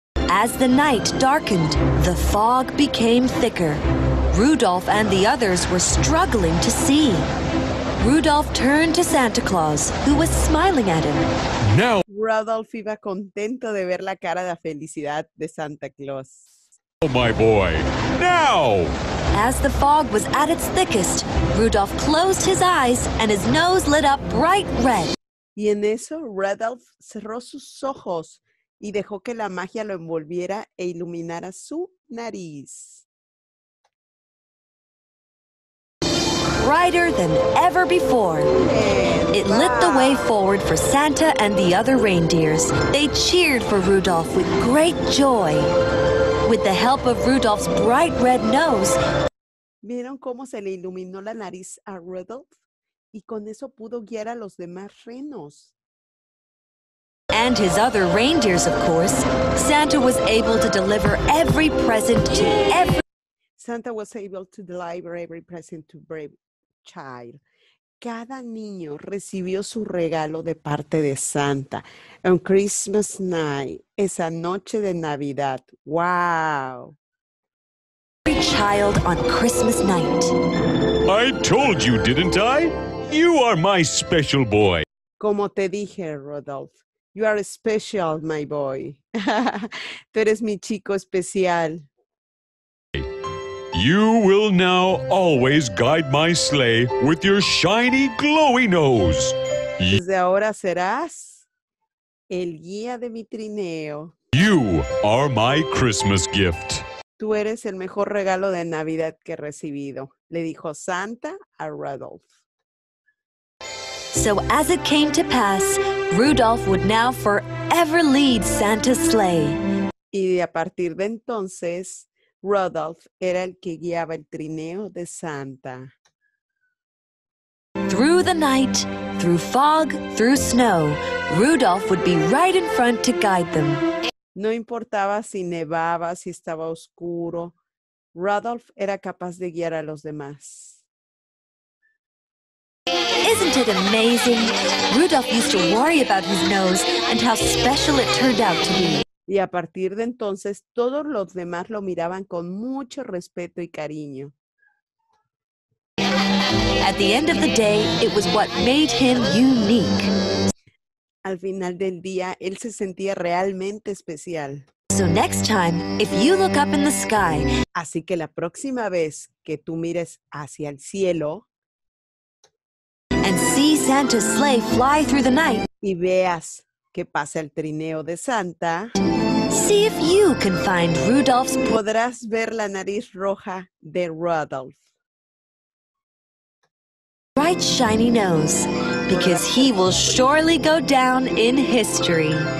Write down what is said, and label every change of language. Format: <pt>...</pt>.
<en>As the night darkened, the fog became thicker. Rudolph and the others were struggling to see. Rudolph turned to Santa Claus, who was smiling at him. No.</en> <es>Rudolph iba contento de ver la cara de felicidad de Santa Claus.</es> <en>Oh, my boy. Now! As the fog was at its thickest, Rudolph closed his eyes and his nose lit up bright red.</en> <es>Y en eso, Rudolph cerró sus ojos y dejó que la magia lo envolviera e iluminara su nariz.</es> <en>Brighter than ever before. It lit the way forward for Santa and the other reindeers. They cheered for Rudolph with great joy. With the help of Rudolph's bright red nose.</en> <es>¿Vieron cómo se le iluminó la nariz a Rudolph? Y con eso pudo guiar a los demás renos.</es> <en>And his other reindeers, of course. Santa was able to deliver every present to every. Santa was able to deliver every present to brave child.</en> <es>Cada niño recibió su regalo de parte de Santa.</es> <en>On Christmas night,</en> <es>esa noche de Navidad.</es> <en>Wow. Every child on Christmas night. I told you, didn't I? You are my special boy.</en> <es>Como te dije,</es> <en>Rudolph. You are special, my boy.</en> <es>Tú eres mi chico especial.</es> <en>You will now always guide my sleigh with your shiny, glowy nose.</en> <es>Desde ahora serás el guía de mi trineo.</es> <en>You are my Christmas gift.</en> <es>Tú eres el mejor regalo de Navidad que he recibido, le dijo Santa a Rudolph.</es> <en>So as it came to pass, Rudolph would now forever lead Santa's sleigh.</en> <es>Y a partir de entonces, Rudolph era el que guiaba el trineo de Santa.</es> <en>Through the night, through fog, through snow, Rudolph would be right in front to guide them.</en> <es>No importaba si nevaba, si estaba oscuro, Rudolph era capaz de guiar a los demás.</es> <en>Isn't it amazing? Rudolph used to worry about his nose and how special it turned out to be.</en> <es>Y a partir de entonces, todos los demás lo miraban con mucho respeto y cariño.</es> <en>At the end of the day, it was what made him unique.</en> <es>Al final del día, él se sentía realmente especial.</es> <en>So next time, if you look up in the sky,</en> <es>así que la próxima vez que tú mires hacia el cielo,</es> <en>and see Santa's sleigh fly through the night,</en> <es>y veas que pasa el trineo de Santa,</es> <en>see if you can find Rudolph's.</en> <es>Podrás ver la nariz roja de Rudolph.</es> <en>Bright shiny nose, because he will surely go down in history.</en>